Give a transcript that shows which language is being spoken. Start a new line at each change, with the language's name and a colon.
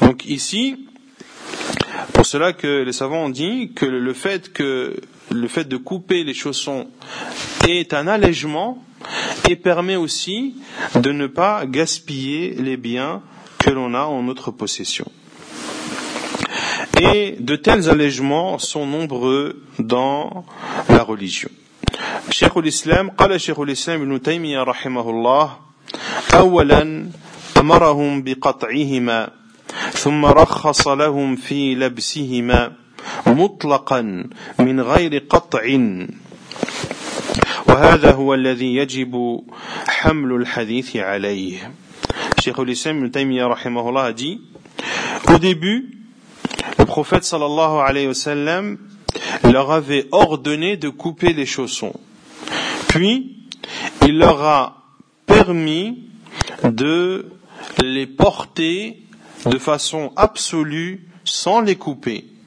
French: Donc ici, pour cela que les savants ont dit que le fait de couper les chaussons est un allègement et permet aussi de ne pas gaspiller les biens que l'on a en notre possession. Et de tels allègements sont nombreux dans la religion.
Arabic: Cheikh al-Islam, قال Cheikh al-Islam ibn Taymiyyah rahimahullah, أولا أمرهم بقطعهما ثم رخص لهم في لبسهما مطلقا من غير قطع وهذا هو الذي يجب حمل الحديث عليه.
French: Cheikh al-Islam ibn Taymiyyah rahimahullah dit, au début, le prophète sallallahu alayhi wa sallam leur avait ordonné de couper les chaussons. Puis, il leur a permis de les porter de façon absolue sans les couper.